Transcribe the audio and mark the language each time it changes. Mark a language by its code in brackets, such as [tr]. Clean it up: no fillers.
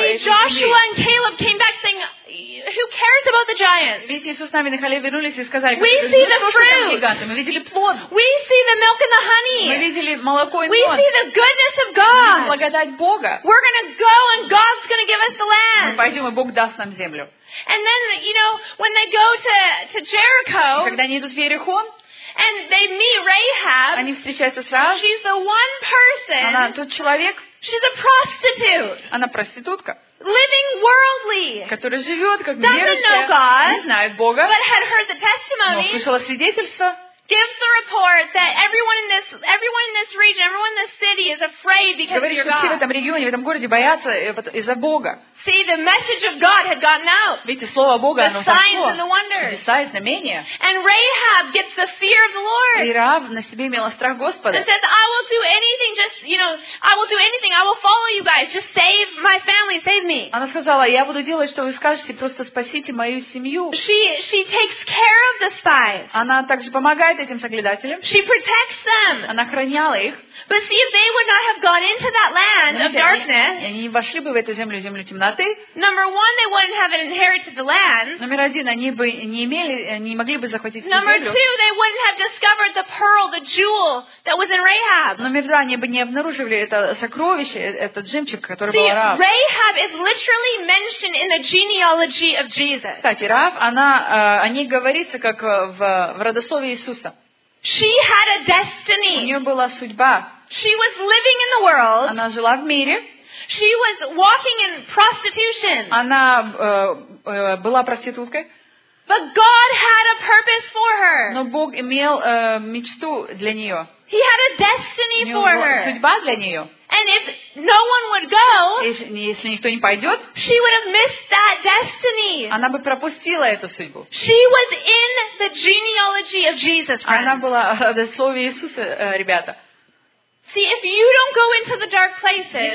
[en] See, Joshua and Caleb came back saying, "Who cares about the giants?" [ru] Видите, что с нами на Халеве вернулись и сказали, [en] "We see the fruit. [ru] Мы видели плод. [en] We see the milk and the honey. [ru] Мы видели молоко и мед. [en] We see the goodness of God. [ru] Мы видели благодать Бога. [en] We're gonna go and God's gonna give us the land. [ru] Мы пойдем, и Бог даст нам землю. [en] And then, you know, when they go to Jericho. [ru] Когда они идут в Иерихон. [en] And they meet Rahab. [ru] Они встречаются с Рахабом. [en] She's the one person. [ru] Она тот человек. [en] She's a prostitute. [ru] Она проститутка. [en] Living worldly. [ru] Которая живет как верующая. [en] Doesn't know God. [ru] Не знает Бога. [en] But had heard the testimony. [ru] Но слышала свидетельство. [en] Gives the report that everyone in this region, everyone in this city is afraid because [ru] говорит, [en] of your God. [ru] Все в этом регионе, в этом городе боятся из-за Бога. [en] See, the message of God had gotten out. [ru] Видите, слово Бога, оно пошло. [en] The signs and the wonders. [ru] Чудеса и знамения. [en] And Rahab gets the fear of the Lord. [ru] И Рав на себе имела страх Господа. [en] And says, I will do anything, just, you know, I will do anything. I will follow you guys. Just save my family, save me. [ru] Она сказала, я буду делать, что вы скажете, просто спасите мою семью. [en] She takes care of the spies. [ru] Она также помогает этим соглядателям. [en] She protects them. [ru] Она охраняла их. [en] But see, if they would not have gone into that land of darkness. [ru] Они вошли бы в эту землю, землю темноты. [en] Number one, they wouldn't have inherited the land. [ru] Номер один, они бы не имели, не могли бы захватить землю. [en] Number two, they wouldn't have discovered the pearl, the jewel that was in Rahab. [ru] Номер два, они бы не обнаружили это сокровище, этот жемчуг, который был Рав. [en] Rahab is literally mentioned in the genealogy of Jesus. [ru] Кстати, Рав, она, о ней говорится как в родословии Иисуса. [en] She had a destiny. [ru] У нее была судьба. [en] She was living in the world. [ru] Она жила в мире. [en] She was walking in prostitution. [ru] Она была проституткой. [en] But God had a purpose for her. [ru] Но Бог имел мечту для нее. [en] He had a destiny for her. [ru] Судьба для нее. [en] And if no one would go, [ru] если никто не пойдет, [en] she would have missed that destiny. [ru] Она бы пропустила эту судьбу. [en] She was in the genealogy of Jesus Christ. [ru] Она была в слове Иисуса, ребята. [en] See, if you don't go into the dark places,